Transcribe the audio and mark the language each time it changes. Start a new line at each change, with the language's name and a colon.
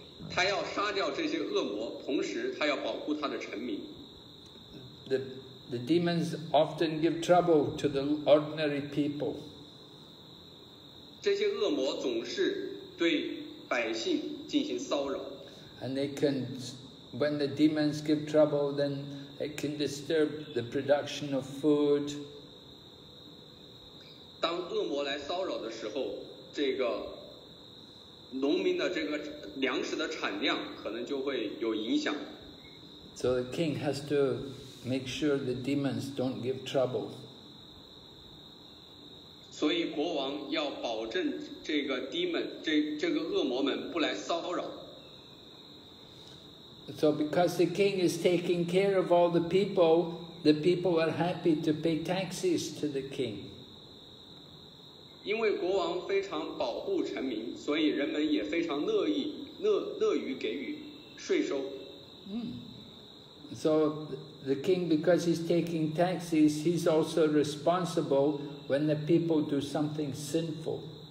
Chinese: 他要杀掉这些恶魔，同时他要保护他的臣民。
English: The demons often give trouble to the ordinary people.
Chinese: 这些恶魔总是对百姓进行骚扰。
English: And they can, when the demons give trouble, then it can disturb the production of food.
Chinese: 当恶魔来骚扰的时候，这个 农民的这个粮食的产量可能就会有影响。
English: So the king has to make sure the demons don't give trouble.
Chinese: 所以国王要保证这个 demon, 这个恶魔们不来骚扰。
English: So because the king is taking care of all the people are happy to pay taxes to the king.
Chinese: 因为国王非常保护臣民，所以人们也非常乐于给予税收。
English: So the king, because he's taking taxes, he's also responsible when the people do something sinful.